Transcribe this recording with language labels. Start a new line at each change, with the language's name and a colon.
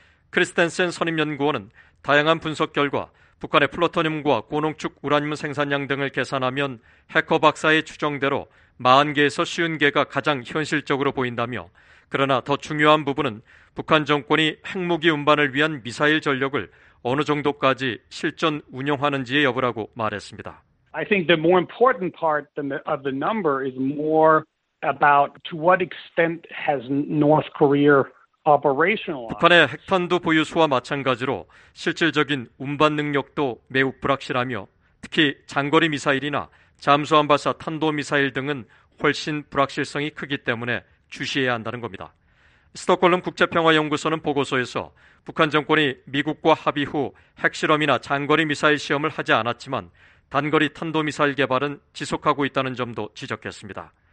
Korean: 크리스텐센 선임연구원은 다양한 분석 결과 북한의 플루토늄과 고농축 우라늄 생산량 등을 계산하면 해커 박사의 추정대로 40개에서 50개가 가장 현실적으로 보인다며 그러나 더 중요한 부분은 북한 정권이 핵무기 운반을 위한 미사일 전력을 어느 정도까지 실전 운용하는지의 여부라고 말했습니다.
English: I think the more important part of the number is more about to what extent has North Korea operationalized.
Korean: 북한의 핵탄두 보유수와 마찬가지로 실질적인 운반 능력도 매우 불확실하며 특히 장거리 미사일이나 잠수함 발사 탄도 미사일 등은 훨씬 불확실성이 크기 때문에 주시해야 한다는 겁니다. 스톡홀름 국제평화연구소는 보고서에서 북한 정권이 미국과 합의 후 핵실험이나 장거리 미사일 시험을 하지 않았지만 단거리 탄도미사일 개발은 지속하고 있다는 점도 지적했습니다.